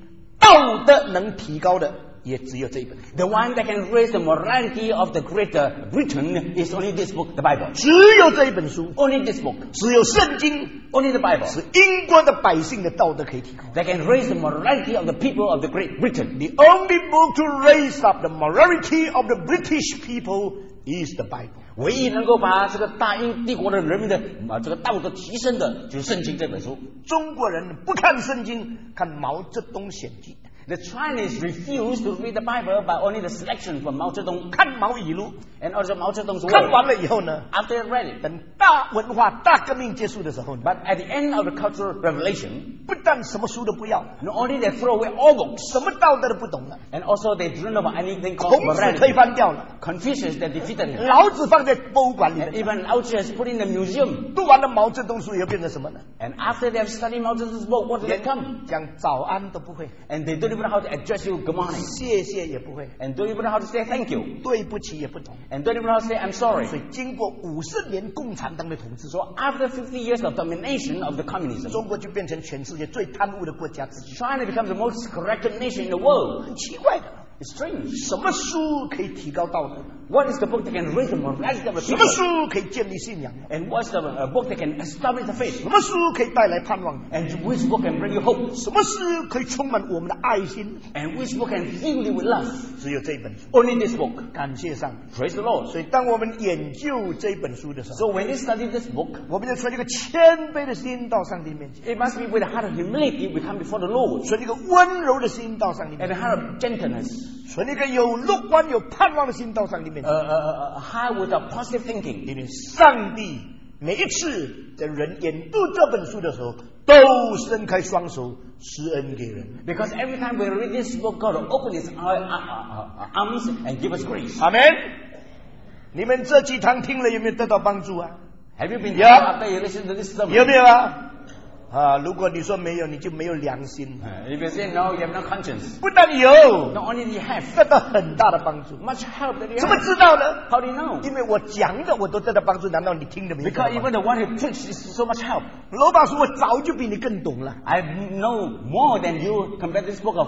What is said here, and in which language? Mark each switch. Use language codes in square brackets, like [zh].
[zh] 使大英帝国的人民道德能提高的， 也只有这一本。 [en] The one that can raise the morality of the greater Britain is only this book, the Bible. [zh] 只有这一本书。 [en] Only this book. [zh] 只有圣经。 [en] Only the Bible. [zh] 使英国的百姓的道德可以提高。 [en] That can raise the morality of the people of the great Britain. The only book to raise up the morality of the British people is the Bible. [zh] 唯一能够把这个大英帝国的人民的这个道德提升的就是圣经这本书。中国人不看圣经，看毛泽东选集。 [en] The Chinese refuse to read the Bible, but only the selection from Mao Zedong. [zh] 看毛语录， [en] and also Mao Zedong's [zh] work. 看完了以后呢， [en] after they read it, [zh] 等大文化大革命结束的时候， [en] but at the end of the Cultural Revolution, [zh] 不但什么书都不要， [en] not only they throw away all books, [zh] 什么道德都不懂了， [en] and also they don't know about anything called morality. [zh] 孔子推翻掉了， [en] Confucius they defeated him. [zh] 老子放在博物馆里， [en] and even Lao Tzu has put in the museum. [zh] 读完了毛泽东书又变成什么呢？ [en] And after they have studied Mao Zedong's book, what do they come? [zh] 讲早安都不会， [en] and they don't even know how to address you good morning. [zh] 谢谢也不会。 [en] And don't even know how to say thank you. [zh] 对不起也不懂。 [en] And don't even know how to say I'm sorry. [zh] 所以经过50年共产党的统治， [en] so after 50 years of domination of the communism, [zh] 中国就变成全世界最贪污的国家之一。 [en] China becomes the most corrupt nation in the world. [zh] 很奇怪的。 [en] It's strange. [zh] 什么书可以提高道德？ [en] What is the book that can raise the morality of a people? [zh] 什么书可以建立信仰？ [en] And what's the book that can establish the faith? [zh] 什么书可以带来盼望？ [en] And which book can bring you hope? [zh] 什么书可以充满我们的爱心？ [en] And which book can fill you with love? [zh] 只有这一本书。 [en] Only this book. [zh] 感谢上帝。 [en] Praise the Lord. [zh] 所以当我们研究这本书的时候， [en] So when we study this book, [zh] 我们要存一个谦卑的心到上帝面前。 [en] It must be with a heart of humility we come before the Lord. [zh] 存一个温柔的心到上帝面前。 [en] And a heart of gentleness. [zh] 存一个有乐观、有盼望的心到上帝面前。 [en] With a positive thinking. [zh] 因为上帝每一次的人研读这本书的时候，都伸开双手施恩给人。 [en] Because every time we read this book, God will open His arms and give us grace. Amen. [zh] 你们这几堂听了有没有得到帮助啊？ [en] Have you been taught after you listen to this sermon? [zh] 有没有啊？如果你说没有，你就没有良心。 [en] If you say no, you have no conscience. [zh] 不但有， [en] Not only you have, [zh] 得到很大的帮助。 [en] Much help that you [zh] have. 怎么知道呢？ [en] How do you know? [zh] 因为我讲的我都得到帮助， 难道你听得没有？ [en] Because even the one who preached is so much help. [zh] 罗巴说我早就比你更懂了。 [en] I know more than you compared this book of